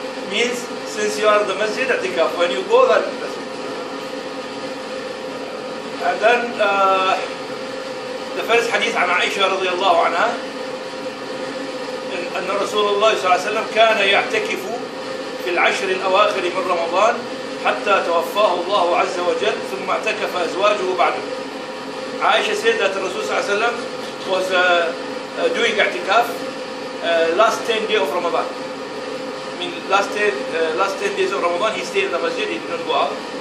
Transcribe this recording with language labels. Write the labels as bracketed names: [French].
[English] Means since you are in the masjid, i'tikaf. When you go, then masjid. And then the first hadith on Aisha radiallahu anha, and Rasulullah sallallahu [Arabic] كان يعتكف في العشر الأواخر من رمضان حتى توفاه الله عز وجل ثم اعتكف أزواجه بعده. [English] Aisha said that Rasul sallallahu was doing i'tikaf last 10 days of Ramadan. Last 10 days of Ramadan, he stayed in the masjid, he did not go out.